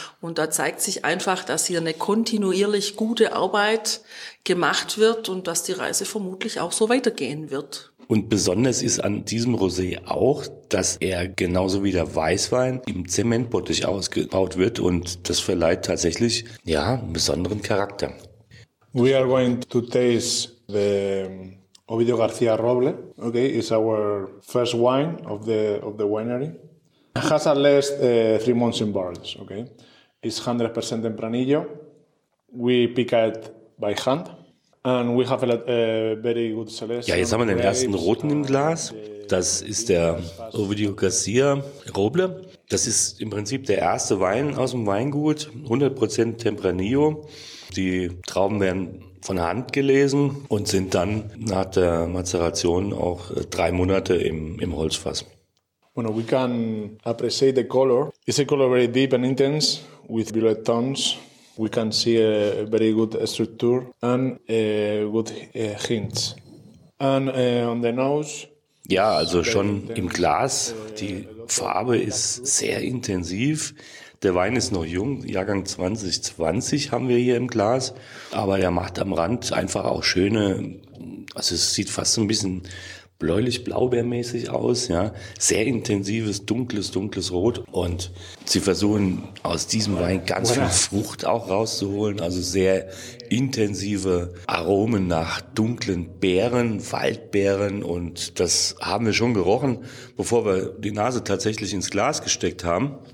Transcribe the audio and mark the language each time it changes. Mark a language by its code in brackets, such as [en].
[de] Und da zeigt sich einfach, dass hier eine kontinuierlich gute Arbeit gemacht wird und dass die Reise vermutlich auch so weitergehen wird. Und besonders ist an diesem Rosé auch, dass er genauso wie der Weißwein im Zementbottich ausgebaut wird und das verleiht tatsächlich ja einen besonderen Charakter. [en] We are going to taste the Ovidio Garcia Roble, okay, is our first wine of the winery. It has at least 3 months in barrels, okay. It's 100% Tempranillo. We pick it by hand. And we have a very good selection. [de] Ja, jetzt haben wir den ersten Roten im Glas. Das ist der Ovidio Garcia Roble. Das ist im Prinzip der erste Wein aus dem Weingut. 100% Tempranillo. Die Trauben werden von Hand gelesen und sind dann nach der Mazeration auch 3 Monate im Holzfass. [en] Bueno, we can appreciate the color. It's a color very deep and intense with violet tones. We can see a very good structure and a good hints. And on the nose. [de] Ja, also schon im Glas. Die Farbe ist sehr intensiv. Der Wein ist noch jung, Jahrgang 2020 haben wir hier im Glas, aber der macht am Rand einfach auch schöne, also es sieht fast so ein bisschen bläulich-blaubeermäßig aus, ja, sehr intensives, dunkles Rot und sie versuchen aus diesem Wein ganz viel Frucht auch rauszuholen, also sehr intensive Aromen nach dunklen Beeren, Waldbeeren und das haben wir schon gerochen, bevor wir die Nase tatsächlich ins Glas gesteckt haben.